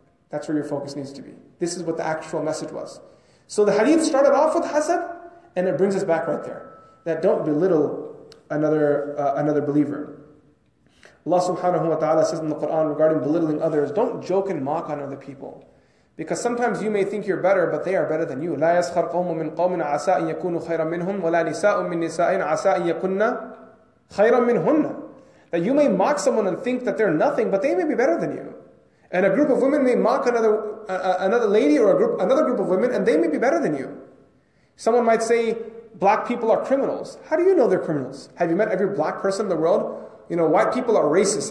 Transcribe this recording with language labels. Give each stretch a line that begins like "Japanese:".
English: That's where your focus needs to be. This is what the actual message was. So the hadith started off with hasad, and it brings us back right there. That don't belittle another believer. Allah subhanahu wa ta'ala says in the Quran regarding belittling others, don't joke and mock on other people. Because sometimes you may think you're better, but they are better than you.
Arabic: لَا يَسْخَرْ قَوْمٌ مِّن قَوْمٍ عَسَىٰ أَن يَكُونُوا خَيْرًا مِّنْهُمْ وَلَا نِسَاءٌ مِّن نِسَاءٍ عَسَىٰ أَن يَكُنَّ خَيْرًا مِّنْهُنَّ.
English: That you may mock someone and think that they're nothing, but they may be better than you. And a group of women may mock another lady or another group of women, and they may be better than you. Someone might say, black people are criminals. How do you know they're criminals? Have you met every black person in the world? You know, white people are racist.